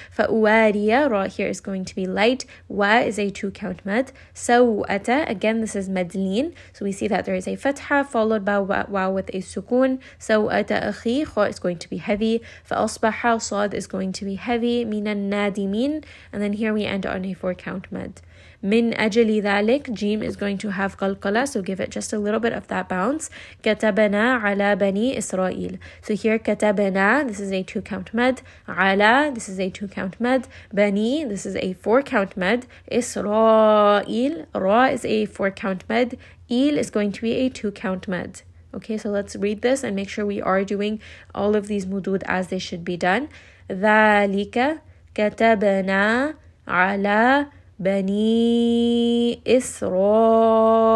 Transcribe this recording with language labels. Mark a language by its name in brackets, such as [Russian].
[English] Fa'uwariya, ra here is going to be light, wa is a two-count med. Sa'u'ata, again, this is [Arabic] مدلين. [English] So we see that there is a fatha followed by wa with a sukun. [Arabic] سوأت أخي خو [English] is going to be heavy. فأصبح صاد is going to be heavy. [Arabic] من النادمين. [English] And then here we end on a four count mad. [Arabic] من أجل ذلك جيم [English] is going to have [Arabic] قلقلة. [English] So give it just a little bit of that bounce. [Arabic] كتبنا على بني إسرائيل. [English] So here كتبنا, this is a two count mad. على, this is a two count mad. بني, this is a four count mad. إسرائيل, را is a four count mad. إيل is going to be a two count mad. Okay, so let's read this and make sure we are doing all of these mudud as they should be done. [Arabic] ذلك كتبنا على بني إسرائيل.